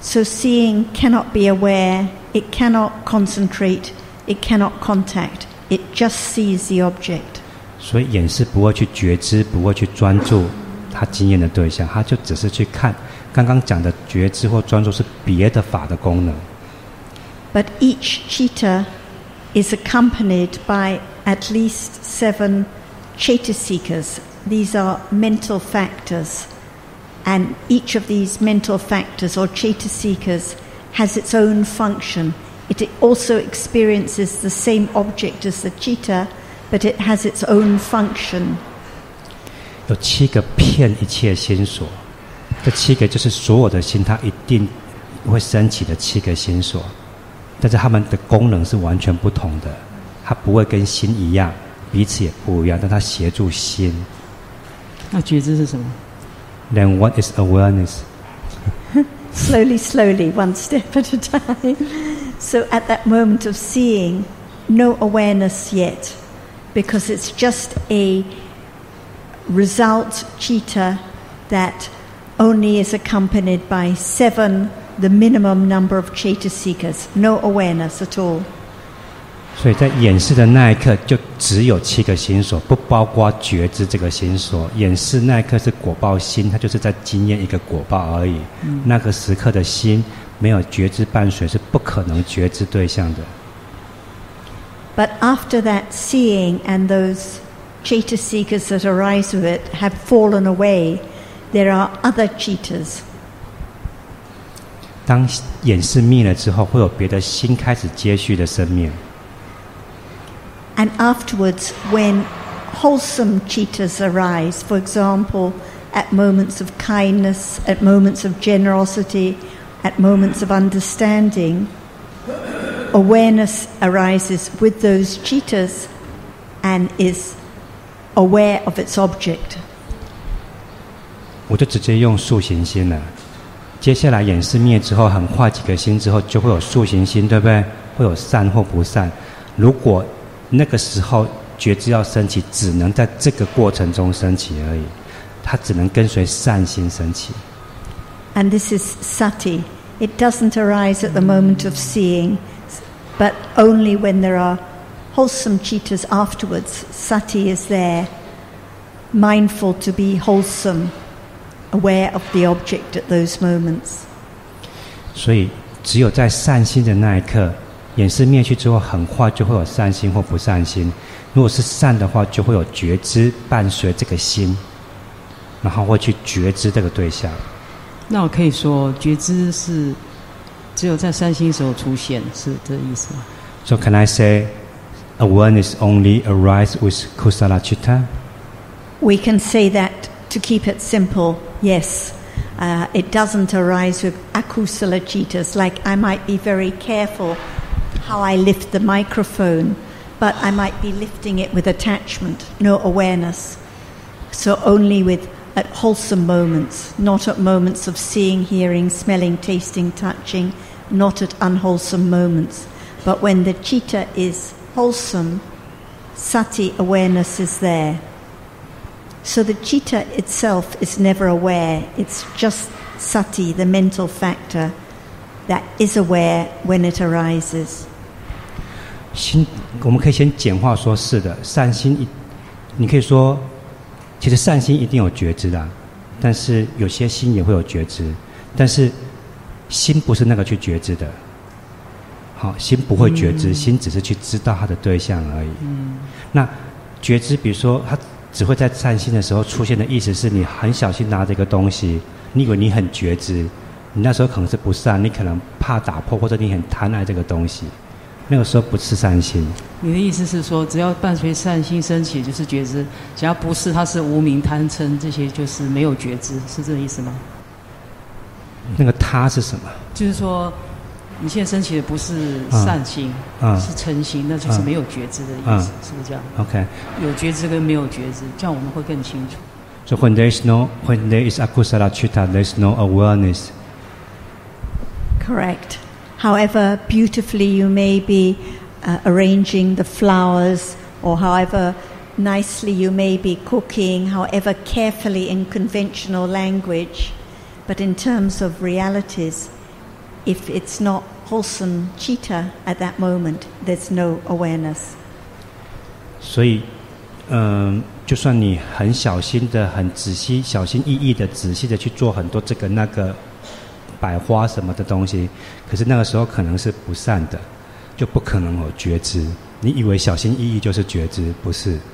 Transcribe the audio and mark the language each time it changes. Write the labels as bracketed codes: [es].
[en] So seeing cannot be aware. It cannot concentrate. It cannot contact. It just sees the object. [zh] 所以眼识不会去觉知，不会去专注他经验的对象，他就只是去看。刚刚讲的觉知或专注是别的法的功能。 [en] But each citta is accompanied by at least seven chetasikas. These are mental factors, and each of these mental factors or chetasikas has its own function. It also experiences the same object as the citta. But it has its own function. [zh] 有七个骗一切心所，这七个就是所有的心，它一定会升起的七个心所，但是它们的功能是完全不同的，它不会跟心一样，彼此也不一样，但它协助心。那觉知是什么 [en] ？Then what is awareness? Slowly, slowly, one step at a time. So at that moment of seeing, no awareness yet. Because it's just a result citta that only is accompanied by seven, the minimum number of chetasikas, no awareness at all. [zh] 所以在眼识的那一刻，就只有七个心所，不包括觉知这个心所。眼识那一刻是果报心，它就是在经验一个果报而已。那个时刻的心没有觉知伴随，是不可能觉知对象的。 [en] But after that seeing and those chetasikas that arise with it have fallen away, there are other chittas. [zh] 当眼识灭了之后，会有别的心开始接续的生灭。 [en] And afterwards, when wholesome chittas arise, for example, at moments of kindness, at moments of generosity, at moments of understanding, Awareness arises with those chittas and is aware of its object. [zh] 我就直接用塑形心了。接下来眼识灭之后，很快几个心之后，就会有塑形心，对不对？会有善或不善。如果那个时候觉知要升起，只能在这个过程中升起而已，它只能跟随善心升起。 [en] And this is sati. It doesn't arise at the moment of seeing. But only when there are wholesome chittas afterwards, sati is there, mindful to be wholesome, aware of the object at those moments. [zh] 所以只有在善心的那一刻，眼识灭去之后，很快就会有善心或不善心。如果是善的话，就会有觉知伴随这个心，然后会去觉知这个对象。那我可以说，觉知是。只有在善心时候出现，是这意思吗 [en] ？So can I say awareness only arises with kusala citta? We can say that to keep it simple. Yes, it doesn't arise with akusala cittas. Like I might be very careful how I lift the microphone, but I might be lifting it with attachment, no awareness. So only with at wholesome moments, not at moments of seeing, hearing, smelling, tasting, touching, not at unwholesome moments. But when the citta is wholesome, sati awareness is there. So the citta itself is never aware. It's just sati, the mental factor, that is aware when it arises. [zh] 心，我们可以先简化说，是的，善心一，你可以说，其实善心一定有觉知的，但是有些心也会有觉知，但是心不是那个去觉知的。好，心不会觉知，心只是去知道它的对象而已。那觉知，比如说它只会在善心的时候出现的意思是，你很小心拿着一个东西，你以为你很觉知，你那时候可能是不善，你可能怕打破，或者你很贪爱这个东西，那个时候不是善心。你的意思是说，只要伴随善心升起就是觉知，只要不是，它是无明贪嗔，这些就是没有觉知，是这个意思吗？那个他是什么？就是说你现在升起的不是善心，是嗔心，那就是没有觉知的意思，是不是这样 [en] ？OK， [zh] 有觉知跟没有觉知，这样我们会更清楚。 [en] So when there is no, when there is akusala citta, there is no awareness. Correct. However beautifully you may be arranging the flowers, or however nicely you may be cooking, however carefully in conventional language, but in terms of realities. If it's not wholesome citta at that moment, there's no awareness. [zh] 所以，就算你很小心的、很仔细、小心翼翼的、仔细的去做很多这个那个摆花什么的东西，可是那个时候可能是不善的，就不可能有觉知。你以为小心翼翼就是觉知，不是。